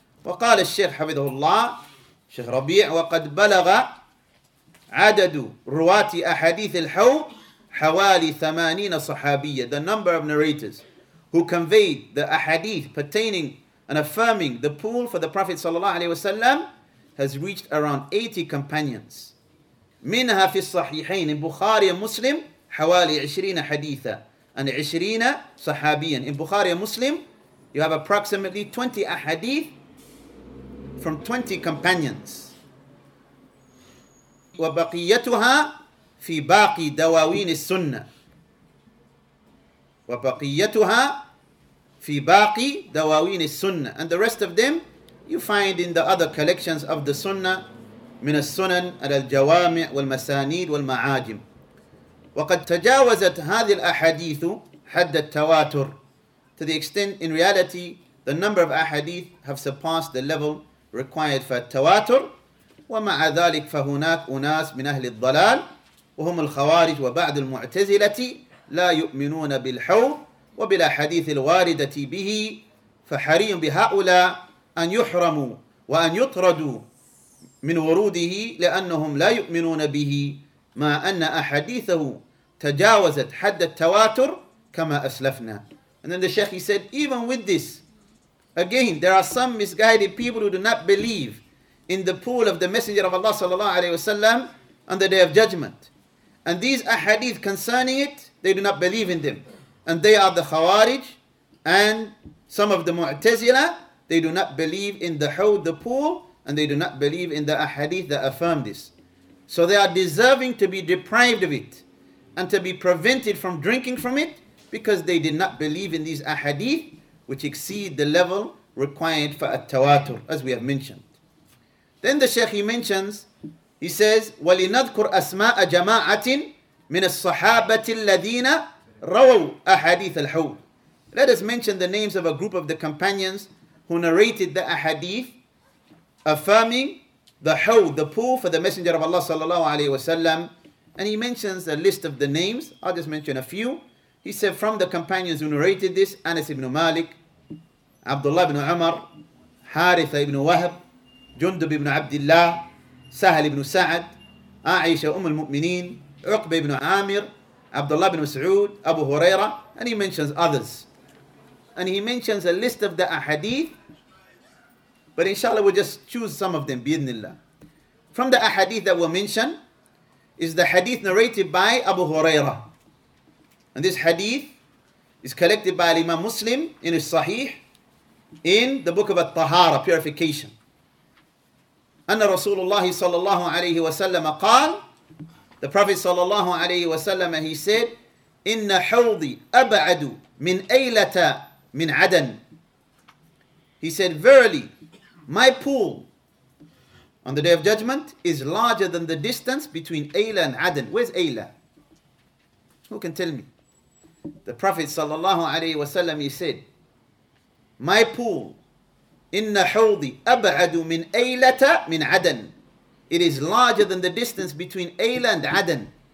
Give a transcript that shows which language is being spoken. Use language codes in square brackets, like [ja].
[ar] وقال الشيخ حفظه الله شيخ ربيع وقد بلغ عدد رواة أحاديث الحوض حوالي 80 صحابية. [en] The number of narrators who conveyed the ahadith pertaining and affirming the pool for the Prophet صلى الله عليه وسلم has reached around 80 companions. [ar] منها في الصحيحين [en] in Bukhari and Muslim [ar] حوالي 20 حديثا and 20 صحابيا. [en] In Bukhari and Muslim you have approximately 20 ahadith from 20 companions. [ar] وبقيتها في باقي دواوين السنة. وبقيتها في باقي دواوين السنة. [en] And the rest of them you find in the other collections of the Sunnah, [ar] من السنن على الجوامع والمسانيد والمعاجم. وقد تجاوزت هذه الأحاديث حد التواتر. [en] To the extent, in reality, the number of ahadith have surpassed the level required for [ar] التواتر ومع ذلك فهناك أناس من أهل الضلال وهم الخوارج وبعض المعتزلة لا يؤمنون بالحوض وبلا حديث الواردة به فحري بهؤلاء أن يحرموا وأن يطردوا من وروده لأنهم لا يؤمنون به ما أن أحاديثه تجاوزت حد التواتر كما أسلفنا. [en] And then the Sheikh, he said, even with this, again, there are some misguided people who do not believe in the pool of the Messenger of Allah sallallahu alayhi wa sallam on the Day of Judgment. And these ahadith concerning it, they do not believe in them. And they are the Khawarij and some of the Mu'tazila. They do not believe in the Hawd, the pool, and they do not believe in the ahadith that affirm this. So they are deserving to be deprived of it and to be prevented from drinking from it because they did not believe in these ahadith which exceed the level required for at-tawatur, as we have mentioned. Then the Shaykh, he mentions, he says, [ar] وَلِنَذْكُرْ أَسْمَاءَ جَمَاعَةٍ مِنَ الصَّحَابَةِ الَّذِينَ رَوَوْا أَحَدِيثَ الْحَوْلِ. [en] Let us mention the names of a group of the companions who narrated the ahadith affirming the hawd, the pool for the Messenger of Allah sallallahu alayhi wa sallam. And he mentions a list of the names. I'll just mention a few. He said, from the companions who narrated this, Anas ibn Malik, Abdullah ibn Umar, Haritha ibn Wahab, Jundub ibn Abdullah, Sahal ibn Sa'ad, Aisha Umm al-Mu'mineen, Uqba ibn Amir, Abdullah ibn Mas'ud, Abu Huraira, and he mentions others. And he mentions a list of the ahadith, but inshallah we'll just choose some of them, bi'idhnillah. From the ahadith that we'll mention is the hadith narrated by Abu Huraira. And this hadith is collected by Imam Muslim in his Sahih in the book of At-Tahara, Purification. [ar] أن رسول الله صلى الله عليه وسلم قال, [en] the Prophet [ar] صلى الله عليه وسلم, [en] he said, [ar] إن حوضي أبعد من أيلة من عدن. [en] He said, verily, my pool on the Day of Judgment is larger than the distance between Ayla and Adan. Where's Ayla? Who can tell me? The Prophet صلى الله عليه وسلم, he said, my pool, [ar] إن حوضي أبعد من أيلة من عدن. [en] It is larger than the distance between Ayla and Adan.